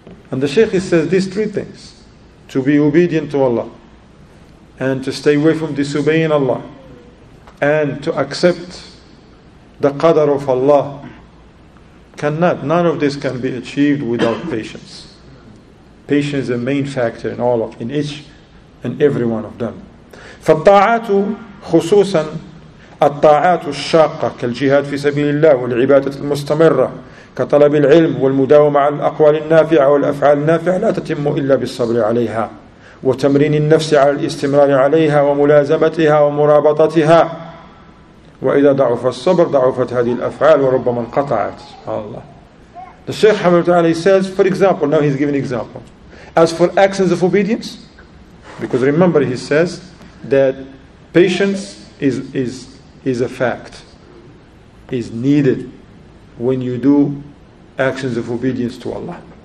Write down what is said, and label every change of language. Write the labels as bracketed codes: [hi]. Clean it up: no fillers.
[en] And the Shaykh says these three things: to be obedient to Allah, and to stay away from disobeying Allah, and to accept the qadr of Allah. None of this can be achieved without patience. Patience is a main factor in all of, in each and every one of them. [ar] فالطاعات خصوصا الطاعات الشاقة كالجهاد في سبيل الله والعبادة المستمرة كطلب العلم والمداومة على الأقوال النافعة والأفعال النافعة لا تتم إلا بالصبر عليها وتمرين النفس على الاستمرار عليها وملازمتها ومرابطتها وإذا ضعف الصبر ضعفت هذه الأفعال وربما انقطعت. سبحان الله. [en] The Shaykh Hamad Ta'ala says, for example, now he's giving example. As for actions of obedience, because remember he says that patience is a fact, is needed when you do actions of obedience to Allah.